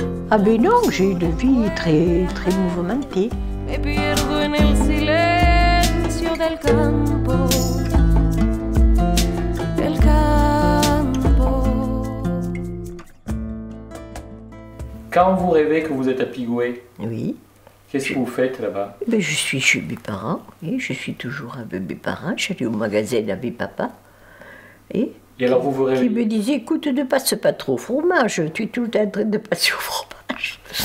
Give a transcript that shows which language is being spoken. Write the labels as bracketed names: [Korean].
[French] Ah ben non, j'ai une vie très, très mouvementée. [Spanish] Me pierdo en el silencio del campo, del campo. [French] Quand vous rêvez que vous êtes à Pigüé, oui. Qu'est-ce que vous faites là-bas? Ben, je suis chez mes parents, et je suis toujours avec mes parents. J'allais au magasin avec papa. Et alors vous qui me disait, écoute, ne passe pas trop au fromage, tu es tout le temps en train de passer au fromage.